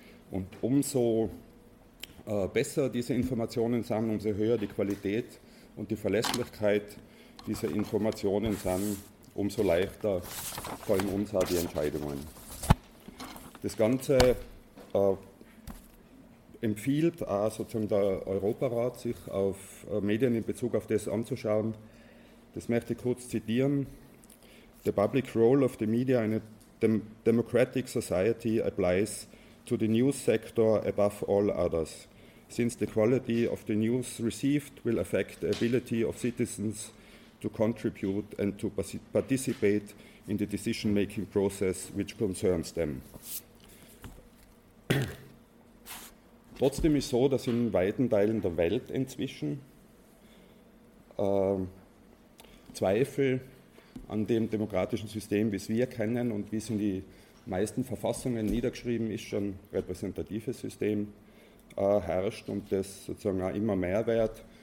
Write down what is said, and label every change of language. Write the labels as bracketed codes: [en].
[de] Und umso besser diese Informationen sind, umso höher die Qualität und die Verlässlichkeit dieser Informationen sind, umso leichter fallen uns auch die Entscheidungen. Das Ganze empfiehlt auch sozusagen der Europarat, sich auf Medien in Bezug auf das anzuschauen. Das möchte ich kurz zitieren. [en] The public role of the media in a democratic society applies to the news sector above all others, since the quality of the news received will affect the ability of citizens to contribute and to participate in the decision-making process which concerns them. [de] Trotzdem ist es so, dass in weiten Teilen der Welt inzwischen Zweifel an dem demokratischen System, wie es wir kennen und wie es in die meisten Verfassungen niedergeschrieben ist, schon repräsentatives System herrscht und das sozusagen auch immer mehr wert.